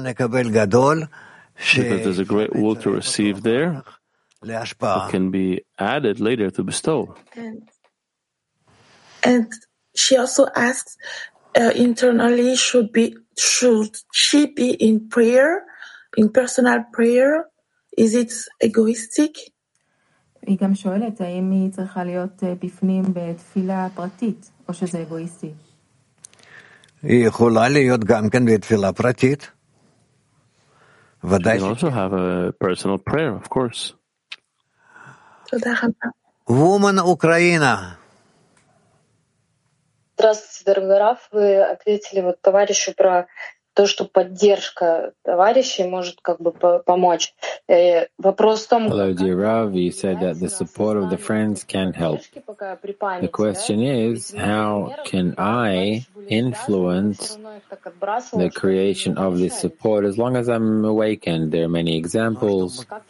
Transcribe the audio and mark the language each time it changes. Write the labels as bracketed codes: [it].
[en] Because there's a great will to receive there, it can be added later to bestow. And she also asks, internally, should she be in prayer, in personal prayer? Is it egoistic? [he] היא גם שואלת, האם היא צריכה להיות בפנים בתפילה פרטית, או שזה אגואיסטי? היא יכולה להיות גם כן בתפילה פרטית. ודאי. [en] She also have a personal prayer, of course. [he] תודה רבה. [en] Woman Ukraine. [ru] Здравствуйте, дорогой Раф. Вы ответили вот товарищу про то, что поддержка товарищей может как бы помочь. Вопрос в том, [en] hello, dear Rav, you said that the support of the friends can help. The question is, how can I influence the creation of this support as long as I'm awakened? There are many examples.